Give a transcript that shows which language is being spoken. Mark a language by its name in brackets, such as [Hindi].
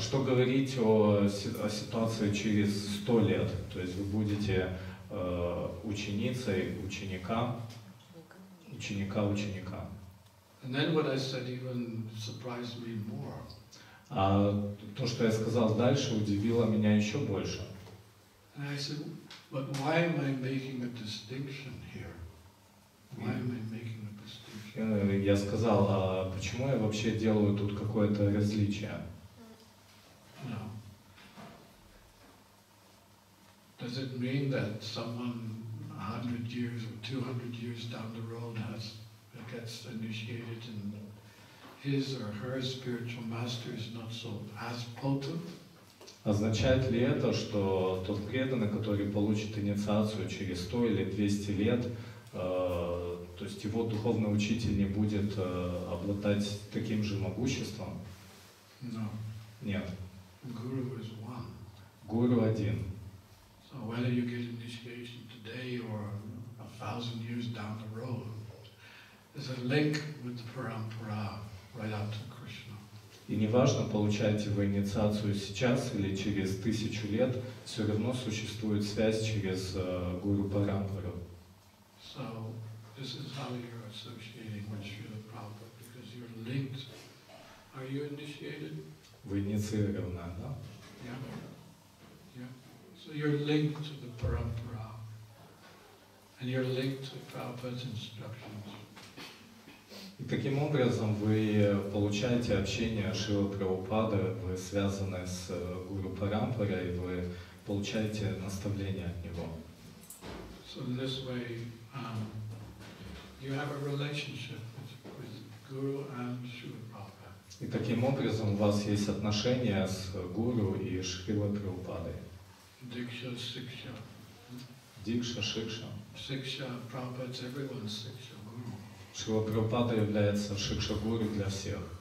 [Russian] Что говорить о ситуации через 100 лет? То есть вы будете ученицей ученика. [English] And then what I said even surprised me more. [Russian] А то, что я сказал дальше, удивило меня еще больше. [English] And I said, but why am I making a distinction here? Why am I making [Russian] Я сказал, а почему я вообще делаю тут какое-то различие? [English] No. Does it mean that someone 100 years or 200 years down the road gets initiated and his or her spiritual master is not so as potent? [Russian] Означает ли это, что тот преданный, который получит инициацию через 100 или 200 лет, то есть его духовный учитель не будет обладать таким же могуществом? [English] No. [Russian] Нет. [English] Guru is one. [Russian] Guru один. [English] So whether you get initiation today or 1,000 years down the road, there's a link with the parampara right up to Krishna. [Russian] И неважно, получаете вы инициацию сейчас или через 1000 лет, все равно существует связь через Гуру Парампару. [English] So this is how you're associating with Srila Prabhupada, because you're linked. Are you initiated? [Russian] Вы инициированы, да? [English] Yeah. Yeah. So you're linked to the parampara. And you're linked to Prabhupada's instructions. [Russian] И таким образом вы получаете общение Шрилы Прабхупады, вы связаны с Гуру Парампара, и вы получаете наставление от него. [English] So in this way, you have a relationship with Guru and Shrila Prabhupada. [Russian] И таким образом у вас есть отношения с Гуру и Шрилой Прабхупадой. Дикша Сикша. Дикша Шикша. Сикша Прабхупада, [English] everyone [Russian] Сикша Гуру. Шрила Прабхупада является Шикша Гуру для всех.